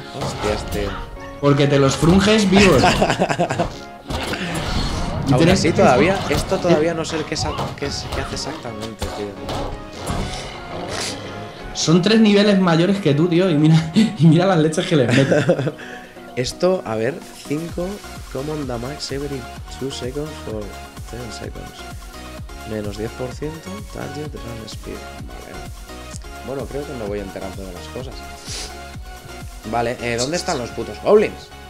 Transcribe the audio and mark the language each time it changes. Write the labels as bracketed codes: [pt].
[es] Hostias, tío. Porque te los frunges vivos. Aún así, todavía, esto todavía no sé qué hace exactamente, tío. Son tres niveles mayores que tú, tío, y mira las leches que le meto. Esto, a ver, [en] 5 common damage every 2 seconds for 10 seconds. [es] Menos 10% [en] target run speed. [es] Vale. Bueno, creo que me voy enterando de las cosas. Vale, ¿dónde están los putos goblins?